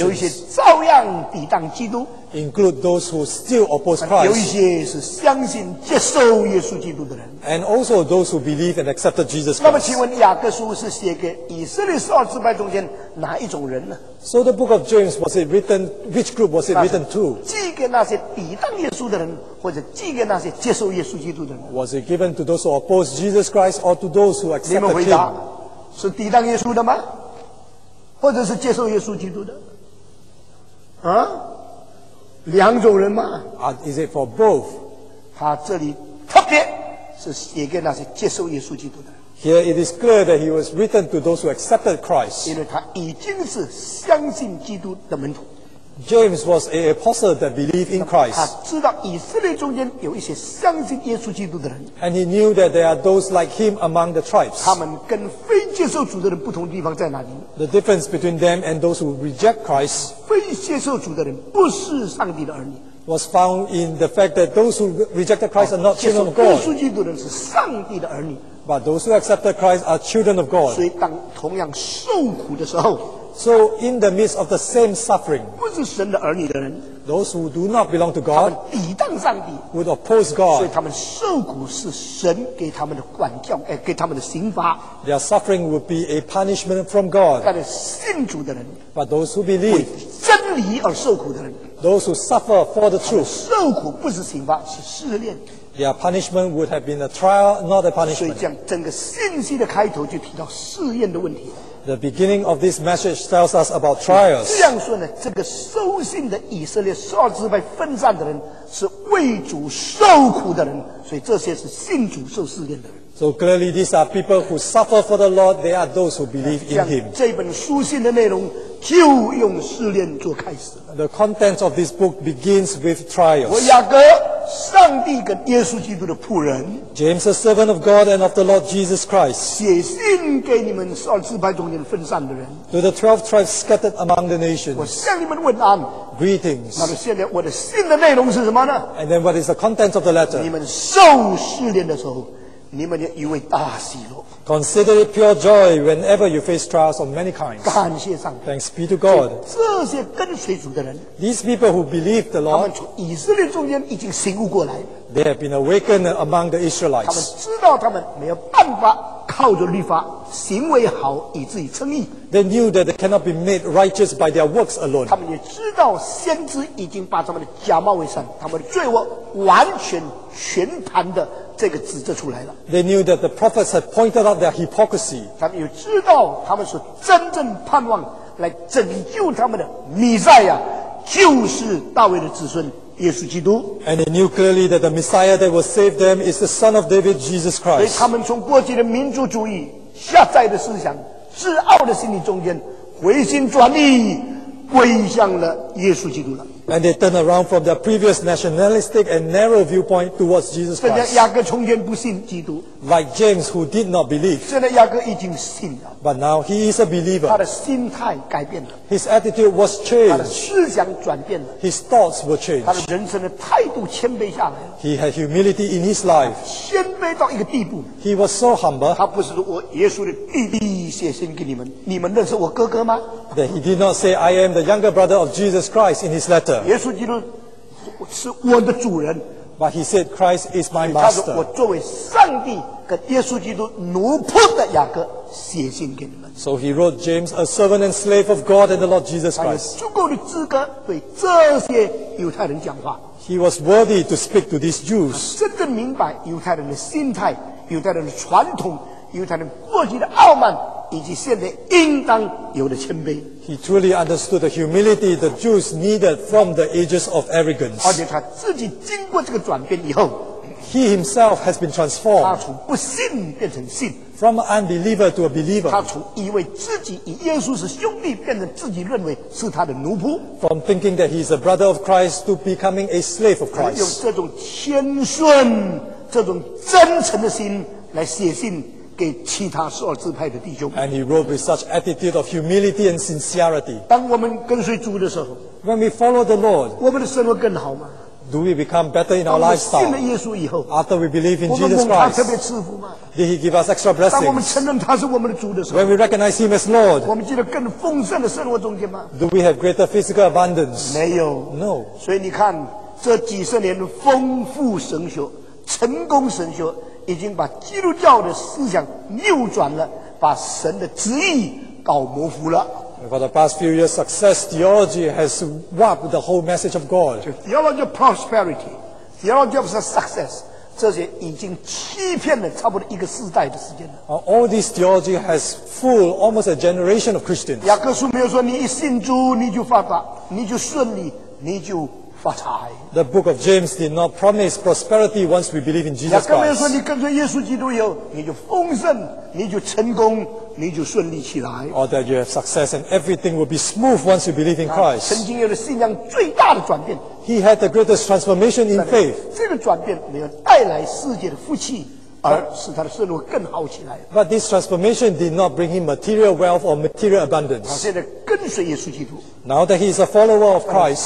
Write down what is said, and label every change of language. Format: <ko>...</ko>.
<zh>有一些照样抵挡基督。</zh> <en>Include those who still oppose Christ.</en> <zh>有一些是相信接受耶稣基督的人。</zh> <en>And also those who believe and accepted Jesus Christ.</en> <zh>那么请问雅各书是写给以色列十二支派中间哪一种人呢？</zh> <en>So the book of James, was it written, which group was it written to?</en> <zh>寄给那些抵挡耶稣的人，或者寄给那些接受耶稣基督的人。</zh> <en>Was it given to those who oppose Jesus Christ or to those who accept him?</en> <zh>你们回答，是抵挡耶稣的吗？或者是接受耶稣基督的？啊？两种人吗？</zh> <en>Is it for both?</en> <zh>他这里特别是写给那些接受耶稣基督的。</zh> <en>Here it is clear that he was written to those who accepted Christ.</en> <zh>因为他已经是相信基督的门徒。</zh> <en>James was an apostle that believed in Christ.</en> <zh>他知道以色列中间有一些相信耶稣基督的人。</zh> <en>And he knew that there are those like him among the tribes.</en> <zh>他们跟非接受主的人不同的地方在哪里？</zh> <en>The difference between them and those who reject Christ.</en> <zh>非接受主的人不是上帝的儿女。</zh> <en>Was found in the fact that those who rejected Christ are not children of God.</en> <zh>接受耶稣基督的人是上帝的儿女。</zh> <en>But those who accepted Christ are children of God.</en> <zh>所以当同样受苦的时候，</zh> <en>So in the midst of the same suffering,</en> <zh>不是神的儿女的人，</zh> <en>those who do not belong to God,</en> <zh>他们抵挡上帝，</zh> <en>would oppose God.</en> <zh>所以他们受苦是神给他们的管教，给他们的刑罚。</zh> <en>Their suffering would be a punishment from God.</en> <zh>但是信主的人，</zh> <en>But those who believe,</en> <zh>为真理而受苦的人，</zh> <en>those who suffer for the truth,</en> <zh>受苦不是刑罚，是试炼。</zh> <en>Their punishment would have been a trial, not a punishment.</en> <zh>所以这样整个信息的开头就提到试验的问题。</zh> <en>The beginning of this message tells us about trials.</en> <zh>这样说呢，这个收信的以色列十二支派分散的人是为主受苦的人，所以这些是信主受试验的人。</zh> <en>So clearly these are people who suffer for the Lord, they are those who believe in Him.</en> <zh>这本书信的内容就用试验做开始。</zh> <en>The contents of this book begins with trials.</en> <zh>我雅各，上帝跟耶稣基督的仆人，</zh> <en>James, a servant of God and of the Lord Jesus Christ,</en> <zh>写信给你们十二支派中间分散的人，</zh> <en>to the 12 tribes scattered among the nations,</en> <zh>我向你们问安，</zh> <en>greetings.</en> <zh>那么现在我的信的内容是什么呢？</zh> <en>And then what is the contents of the letter?</en> <zh>你们受试炼的时候，你们要以为大喜乐。</zh> <en>Consider it pure joy whenever you face trials of many kinds.</en> <zh>感谢上帝。</zh> <en>Thanks be to God.</en> <zh>这些跟随主的人，</zh> <en>These people who believe the Lord,</en> <zh>他们从以色列中间已经醒悟过来。</zh> <en>They have been awakened among the Israelites.</en> <zh>他们知道他们没有办法靠着律法行为好以至于称义。</zh> <en>They knew that they cannot be made righteous by their works alone.</en> <zh>他们也知道先知已经把他们的假冒伪善，他们的罪恶完全全盘的这个指责出来了。</zh> <en>They knew that the prophets had pointed out their hypocrisy.</en> <zh>他们也知道他们所真正盼望来拯救他们的弥赛亚就是大卫的子孙耶稣基督。</zh> <en>And they knew clearly that the Messiah that will save them is the Son of David, Jesus Christ.</en> <zh>所以他们从过去的民族主义下载的思想自傲的心理中间回心转意归向了耶稣基督了。</zh> <en>And they turn around from their previous nationalistic and narrow viewpoint towards Jesus Christ.</en> <zh>现在雅各从前不信基督。</zh> <en>Like James who did not believe.</en> <zh>现在雅各已经信了。</zh> <en>But now he is a believer.</en> <zh>他的心态改变了。</zh> <en>His attitude was changed.</en> <zh>他的思想转变了。</zh> <en>His thoughts were changed.</en> <zh>他的人生的态度谦卑下来。</zh> <en>He had humility in his life.</en> <zh>谦卑到一个地步。</zh> <en>He was so humble.</en> <zh>他不是说我耶稣的弟弟写信给你们，你们认识我哥哥吗？</zh> <en>That he did not say I am the younger brother of Jesus Christ in his letter.</en> <zh>耶稣基督是我的主人。</zh> <en>But he said Christ is my master.</en> <zh>他说我作为上帝跟耶稣基督奴仆的雅各写信给你们。</zh> <en>So he wrote James a servant and slave of God and the Lord Jesus Christ.</en> <zh>他有足够的资格对这些犹太人讲话。</zh> <en>He was worthy to speak to these Jews.</en> <zh>真的明白犹太人的心态，犹太人的传统，犹太人过去的傲慢，以及现在应当有的谦卑。</zh> <en>He truly understood the humility the Jews needed from the ages of arrogance.</en> <zh>而且他自己经过这个转变以后，</zh> <en>He himself has been transformed.</en> <zh>他从不信变成信。</zh> <en>From an unbeliever to a believer.</en> <zh>他从以为自己与耶稣是兄弟，变成自己认为是他的奴仆。</zh> <en>From thinking that he is a brother of Christ to becoming a slave of Christ.</en> <zh>用这种谦顺，这种真诚的心来写信给其他十二支派的弟兄。</zh> <en>And he wrote with such attitude of humility and sincerity.</en> <zh>当我们跟随主的时候，</zh> <en>When we follow the Lord,</en> <zh>我们的生活更好吗？</zh> <en>Do we become better in our lifestyle?</en> <zh>当我们信了耶稣以后，</zh> <en>After we believe in Jesus Christ,</en> <zh>我们蒙他特别赐福吗？</zh> <en>Did he give us extra blessings?</en> <zh>当我们承认他是我们的主的时候，</zh> <en>When we recognize him as Lord,</en> <zh>我们进入更丰盛的生活中间吗？</zh> <en>Do we have greater physical abundance?</en> <zh>没有。</zh> <en>No.</en> <zh>所以你看，这几十年的丰富神学、成功神学已经把基督教的思想扭转了，把神的旨意搞模糊了。</zh> <en>For the past few years, success theology has warped the whole message of God. Theology of prosperity, theology of success,</en> <zh>这些已经欺骗了差不多一个世代的时间了。</zh> <en>All this theology has fooled almost a generation of Christians.</en> <zh>雅各书没有说你一信主你就发达，你就顺利，你就发财。</zh> <en>The book of James did not promise prosperity once we believe in Jesus Christ.</en> <zh>雅各说你跟随耶稣基督以后，你就丰盛，你就成功，你就顺利起来。</zh> <en>Or that you have success and everything will be smooth once you believe in Christ.</en> <zh>曾经有了信仰最大的转变。</zh> <en>He had the greatest transformation in faith.</en> <zh>这个转变没有带来世界的福气，而使他的生活更好起来。</zh> <en>But this transformation did not bring him material wealth or material abundance.</en> <zh>他现在跟随耶稣基督。</zh> <en>Now that he is a follower of Christ,</en>